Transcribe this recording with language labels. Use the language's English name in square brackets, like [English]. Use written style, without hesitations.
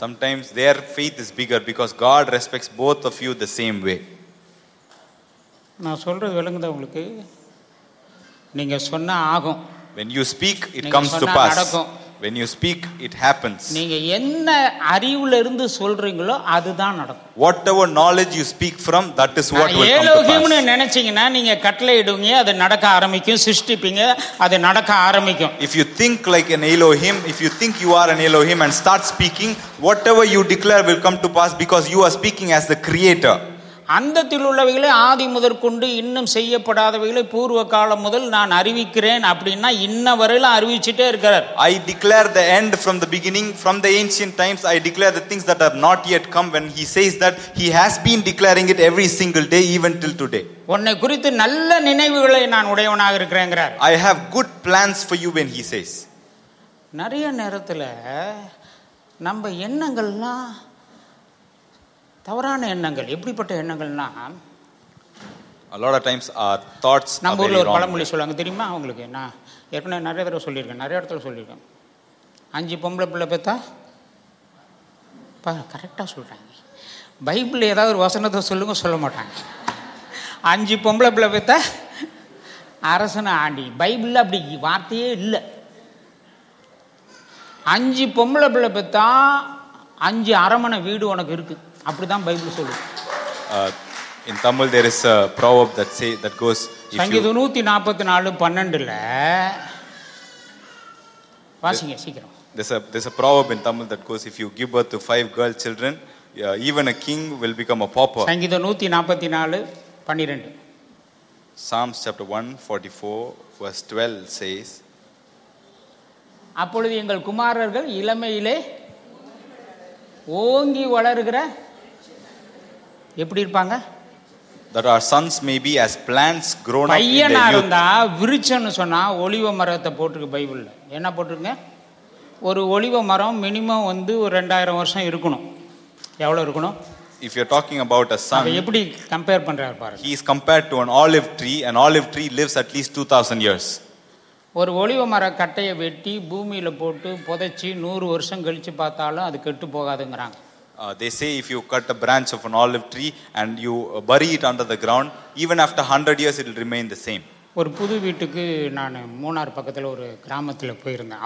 [English] Sometimes their faith is bigger because God respects both of you the same way. [Tamil] நான் சொல்கிறது விளங்குதா உங்களுக்கு? நீங்கள் சொன்னால் ஆகும். [English] When you speak it comes to pass. When you speak, it happens. [Tamil] நீங்க என்ன அறிவுல இருந்து சொல்றீங்களோ அதுதான் நடக்கும். [English] Whatever knowledge you speak from, that is what will come to pass. [Tamil] ஏலோகிம்னு நினைச்சீங்கனா நீங்க கட்டளையிடுவீங்க, அது நடக்க ஆரம்பிக்கும். சிருஷ்டிப்பீங்க, அது நடக்க ஆரம்பிக்கும். [English] If you think like an Elohim, if you think you are an Elohim and start speaking, whatever you declare will come to pass because you are speaking as the creator. [Tamil] அந்தத்தில் உள்ளவைகளை ஆதி முதற் கொண்டு இன்னும் செய்யப்படாதவைகளை பூர்வ காலம் முதல் நான் அறிவிக்கிறேன் அப்படின்னா இன்ன வரையிலும் அறிவிச்சுட்டே இருக்கிறார். [English] I declare the end from the beginning, from the ancient times, I declare the things that have not yet come. When he says that, he has been declaring it every single day, even till today. [Tamil] உன்னை குறித்து நல்ல நினைவுகளை நான் உடையவனாக இருக்கிறேங்கிறார். [English] I have good plans for you, when he says. [Tamil] நிறைய நேரத்தில் நம்ம எண்ணங்கள்லாம் தவறான எண்ணங்கள். எப்படிப்பட்ட எண்ணங்கள்னா, [English] a lot of times our thoughts are [Tamil] நம்ம ஊர்ல ஒரு பழமொழி சொல்லுவாங்க தெரியுமா உங்களுக்கு, நான் ஏற்கனவே நிறைய தடவை சொல்லியிருக்கேன், நிறைய இடத்துல சொல்லியிருக்கேன். 5 பொம்பளை பிள்ளை பார்த்தா கரெக்டாக சொல்கிறாங்க, பைபிள் ஏதாவது ஒரு வசனத்தை சொல்லுங்க, சொல்ல மாட்டாங்க. அஞ்சு பொம்பளை பிள்ளை பார்த்த அரசனை ஆண்டி, பைபிள் அப்படி வார்த்தையே இல்லை. அஞ்சு பொம்பளை பிள்ளை பார்த்தா அஞ்சு அரமனை வீடு உனக்கு இருக்கு, அப்படிதான் பைபிள் சொல்லுது. [English] In Tamil there is a proverb that say that goes [Tamil] சங்கீதம் 144:12 வாசிங்க சீக்கிரம். [English] There's a proverb in Tamil that goes, if you give birth to 5 girl children, even a king will become a pauper. [Tamil] சங்கீதம் 144:12. [English] Psalms chapter 144:12 says, [Tamil] அப்பொழுது எங்கள் குமாரர்கள் இளமையிலே ஓங்கி வளர்கிற எப்படி இருப்பாங்க? [English] That our sons may be as plants grown up in their youth. [Tamil] பையனா இருந்தா விருட்சன்னு சொன்னா ஒலிவ மரத்தை போட்டிருக்கு பைபிள்ல. என்ன போட்டிருக்கு? ஒரு ஒலிவ மரம் மினிமம் வந்து ஒரு 2000 வருஷம் இருக்கணும். எவ்வளவு இருக்கணும்? [English] If you're talking about a son, [Tamil] எப்படி கம்பேர் பண்றாரு பாருங்க. [English] He is compared to an olive tree. An olive tree lives at least 2000 years. [Tamil] ஒரு ஒலிவ மர கட்டையை வெட்டி பூமியில போட்டு புதைச்சி 100 வருஷம் கழிச்சு பார்த்தாலும் அது கெட்டு போகாதுங்கிறாங்க. [English] They say if you cut a branch of an olive tree and you bury it under the ground, even after 100 years it will remain the same. [Tamil] ஒரு புது வீட்டுக்கு நான் மூணார் பக்கத்தில் ஒரு கிராமத்தில் போயிருந்தேன்.